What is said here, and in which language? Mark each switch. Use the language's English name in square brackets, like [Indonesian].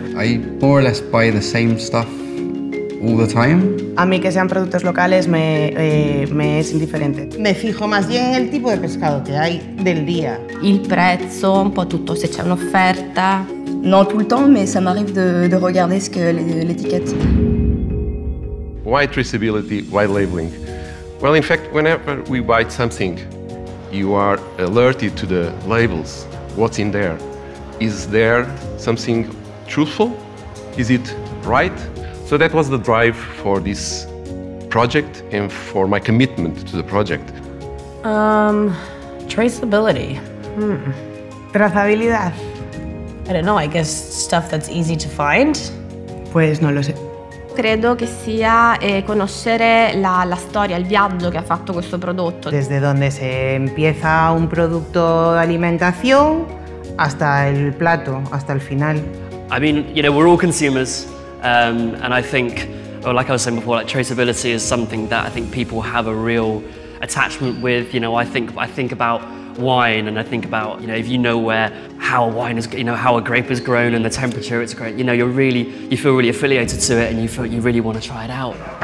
[English] I more or less buy the same stuff all the time. [Spanish] A mí que sean productos locales me es indiferente. Me fijo más bien en el tipo de pescado que hay del día. El precio, un poco todo, si hay una oferta. [French] Non, tout le temps, mais ça m'arrive de regarder ce que l'étiquette. [English] Why traceability? Why labeling? Well, in fact, whenever we buy something, you are alerted to the labels. What's in there? Is there something truthful? Is it right? So that was the drive for this project and for my commitment to the project. Traceability. [Spanish] Trazabilidad. [English] I don't know, I guess stuff that's easy to find. [Spanish] Pues no lo sé. [Italian] Credo che sia conoscere la storia, il viaggio che ha fatto questo prodotto. [Spanish] Desde donde se empieza un producto de alimentación hasta el plato, hasta el final. [English] I mean, you know, we're all consumers, and I think, or like I was saying before, like traceability is something that I think people have a real attachment with. You know, I think about wine, and I think about, you know, if you know where, how a wine is, you know, how a grape is grown and the temperature it's grown, you know, you're really, you feel really affiliated to it and you feel you really want to try it out.